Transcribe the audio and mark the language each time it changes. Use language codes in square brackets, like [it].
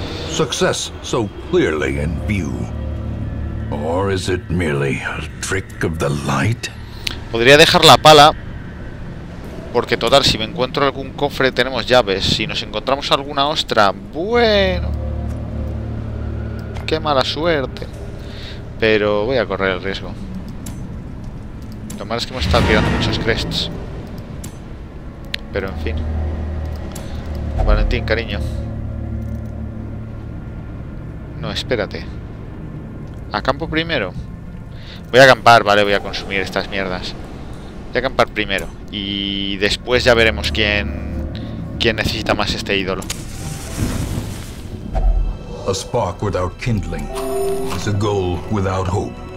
[en] Success so clearly in view. Or is it merely a trick of the light? [es] Podría dejar la pala. Porque total, si me encuentro algún cofre, tenemos llaves. Si nos encontramos alguna ostra, bueno. Qué mala suerte. Pero voy a correr el riesgo. Lo malo es que hemos estado tirando muchos crests. Pero en fin. Valentín, cariño. No, espérate. Acampo primero. Voy a acampar, vale, voy a consumir estas mierdas. Voy a acampar primero. Y después ya veremos quién necesita más este ídolo. [en] A spark without kindling is a goal without hope.